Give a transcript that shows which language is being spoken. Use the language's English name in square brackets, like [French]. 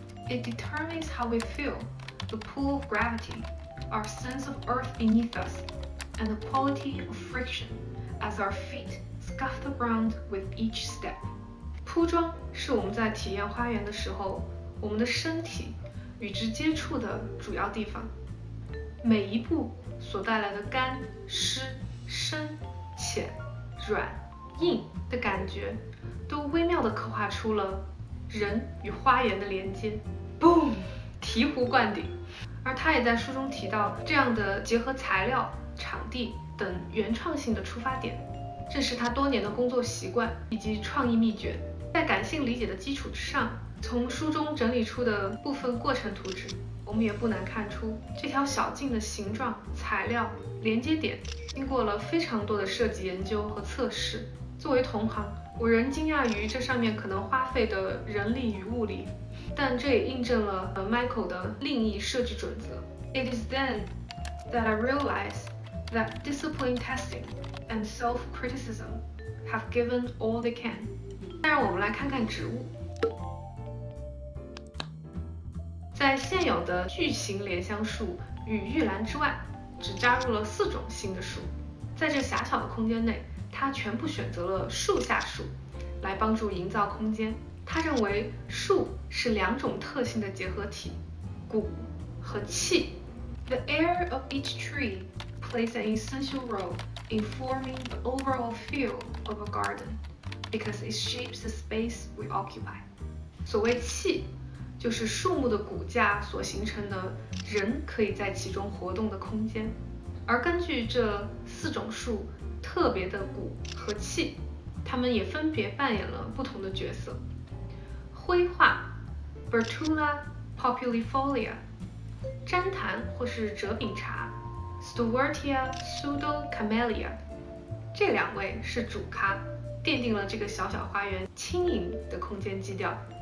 [English] It determines how we feel, the pull of gravity, our sense of earth beneath us, and the quality of friction as our feetScuff the ground with each step. [Chinese] 铺装是我们在体验花园的时候，我们的身体与之接触的主要地方。每一步所带来的干、湿、深、浅、软、硬的感觉，都微妙地刻画出了人与花园的连接。 Boom! 醍醐灌顶。而他也在书中提到，这样的结合材料、场地等原创性的出发点，正是他多年的工作习惯以及创意秘诀。在感性理解的基础之上，从书中整理出的部分过程图纸，我们也不难看出这条小径的形状、材料、连接点经过了非常多的设计研究和测试。作为同行，我仍惊讶于这上面可能花费的人力与物力，但这也印证了 Michael 的另一设计准则。 [English] It is then that I realize that discipline testingand self-criticism have given all they can. [Chinese] 那让我们来看看植物。在现有的巨型莲香树与玉兰之外，只加入了四种新的树。在这狭小的空间内，他全部选择了树下树来帮助营造空间。他认为树是两种特性的结合体，骨和气。 [English] The air of each tree plays an essential roleinforming the overall feel of a garden because it shapes the space we occupy. [Chinese] 所谓气，就是树木的骨架所形成的人可以在其中活动的空间。而根据这四种树特别的骨和气，它们也分别扮演了不同的角色。灰桦 Bertula populifolia， 毡檀或是折柄茶Stewartia pseudo camellia， 这两位是主咖，奠定了这个小小花园轻盈的空间基调。